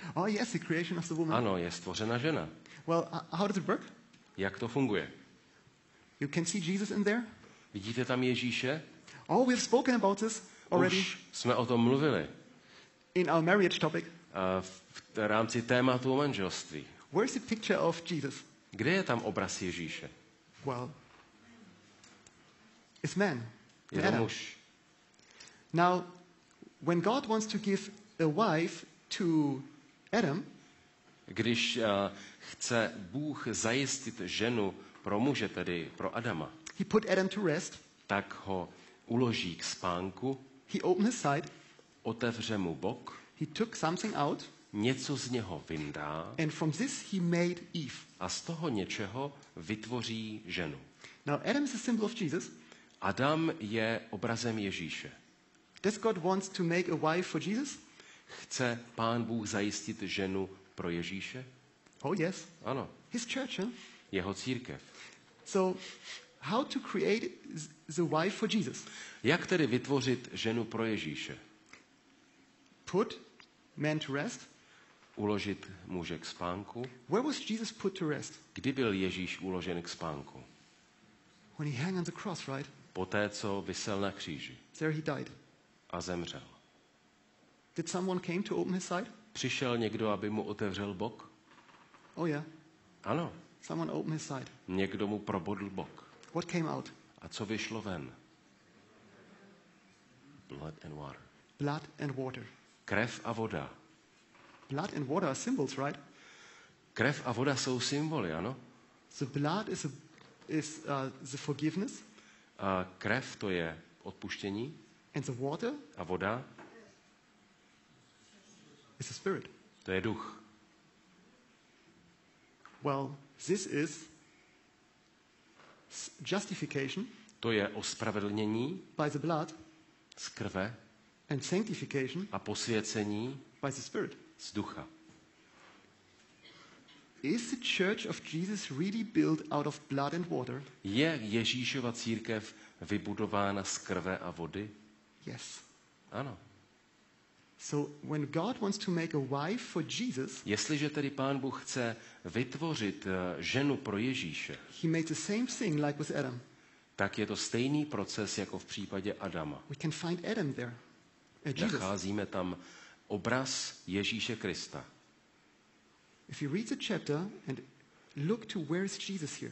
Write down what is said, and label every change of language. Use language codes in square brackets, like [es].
[en] Oh yes, the creation of the woman. [cs] Ano, je stvořena žena. [en] Well, how does it work? [cs] Jak to funguje? [en] You can see Jesus in there? [cs] Vidíte tam Ježíše? [en] Oh, we've spoken about this already. [cs] Už jsme o tom mluvili. [en] In our marriage topic. [cs] V rámci tématu o manželství. [en] Where's the picture of Jesus? [cs] Kde je tam obraz Ježíše? [en] Well, it's man. [cs] Je to muž. [en] Now, when God wants to give a wife to Adam. [cs] Když chce Bůh zajistit ženu pro muže, tedy pro Adama. [en] He put Adam to rest. [cs] Tak ho uloží k spánku. [en] He opened his side. [cs] Otevře mu bok. [en] He took something out. [cs] Něco z něho vyndá. [en] And from this he made Eve. [cs] A z toho něčeho vytvoří ženu. [en] Now Adam is a symbol of Jesus. [cs] Adam je obrazem Ježíše. [en] Does God wants to make a wife for Jesus? [cs] Chce Pán Bůh zajistit ženu pro Ježíše? [en] Oh yes. [cs] Ano. [en] His church, huh? [cs] Jeho církev. [en] So how to create the wife for Jesus? [cs] Jak tedy vytvořit ženu pro Ježíše? [en] Put man to rest? [cs] Uložit muže k spánku? [en] Where was Jesus put to rest? [cs] Kdy byl Ježíš uložen k spánku? [en] When he hung on the cross, right? [cs] Poté, co visel na kříži. [en] There he died. [cs] A zemřel. [en] Did someone came to open his side? [cs] Přišel někdo, aby mu otevřel bok? [en] Oh yeah. [cs] Ano. [en] Someone opened his side. [cs] Někdo mu probodl bok. [en] What came out? [cs] A co vyšlo ven? [en] Blood and water. Blood and water. [cs] Krev a voda. [en] Blood and water are symbols, right? [cs] Krev a voda jsou symboly, ano? [en] The blood is the forgiveness. [cs] A krev to je odpuštění. [en] And the water? [cs] A voda? [en] It's a spirit. [cs] To je duch. [en] Well, this is justification. [cs] To je ospravedlnění. [en] By the blood. [cs] Z krve. [en] And sanctification. [cs] A posvěcení. [en] By the spirit. [cs] Z ducha. [en] Is the church of Jesus really built out of blood and water? [cs] Je Ježíšova církev vybudována z krve a vody? [en] Yes. [cs] Ano. [en] So when God wants to make a wife for Jesus, [cs] jestliže tedy Pán Bůh chce vytvořit ženu pro Ježíše, [en] he made the same thing like with Adam. [cs] Tak je to stejný proces jako v případě Adama. [en] We can find Adam there. [cs] Nacházíme tam obraz Ježíše Krista. [en] If you read the chapter and look to where is Jesus here.